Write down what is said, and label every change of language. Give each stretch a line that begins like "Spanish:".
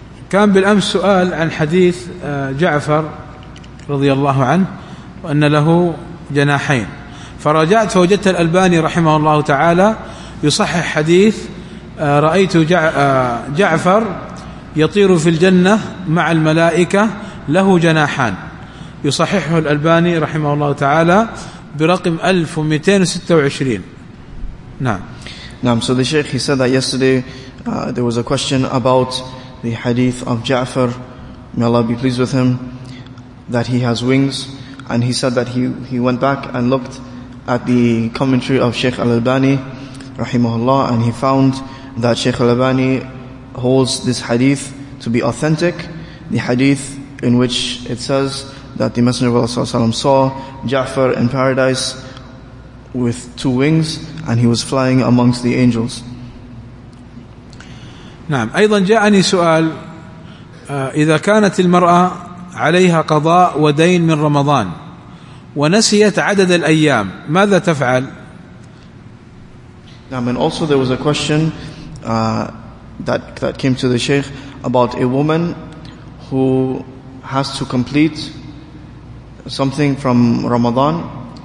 Arabic: كان بالأمس سؤال عن حديث جعفر رضي الله عنه وأن له جناحين، فراجعت فوجدت الألباني رحمه الله تعالى يصحح حديث رأيت جعفر يطير في الجنة مع الملائكة له جناحان، يصححه الألباني رحمه الله تعالى برقم 1226. نعم. نعم.
English: So the Sheikh, he said that yesterday there was a question about the hadith of Ja'far, may Allah be pleased with him, that he has wings, and he said that he went back and looked at the commentary of Sheikh Al-Albani rahimahullah, and he found that Sheikh Al-Albani holds this hadith to be authentic, the hadith in which it says that the Messenger of Allah sallallahu alaihi wasallam saw Ja'far in paradise with two wings and he was flying amongst the angels.
Arabic: نعم. أيضا جاءني سؤال إذا كانت المرأة عليها قضاء ودين من رمضان ونسيت عدد الأيام ماذا تفعل؟ نعم.
English: And also there was a question that came to the Sheikh about a woman who has to complete something from Ramadan.